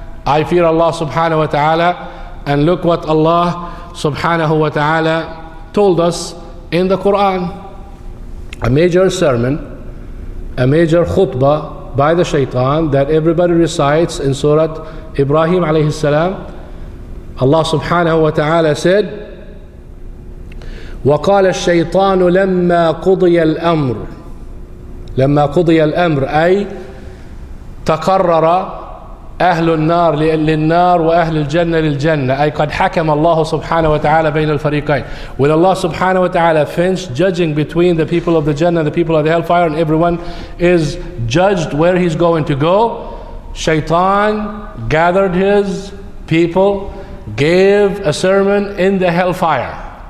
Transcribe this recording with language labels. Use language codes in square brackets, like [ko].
[en] I fear Allah subhanahu wa ta'ala. And look what Allah subhanahu wa ta'ala told us in the Quran. A major sermon, a major khutbah by the shaitan that everybody recites in Surah Ibrahim alayhi salam. Allah subhanahu wa ta'ala said, [ar] وَقَالَ الشَّيْطَانُ لَمَّا قُضِيَ الْأَمْرُ لَمَّا قُضِيَ الْأَمْرُ أي تَقَرَّرَ أهل النار للنار وأهل الجنة للجنة. أي قد حكم الله سبحانه وتعالى بين الفريقين. [en] When Allah سبحانه وتعالى finished judging between the people of the Jannah and the people of the hellfire, and everyone is judged where he's going to go, Shaitan gathered his people, gave a sermon in the hellfire.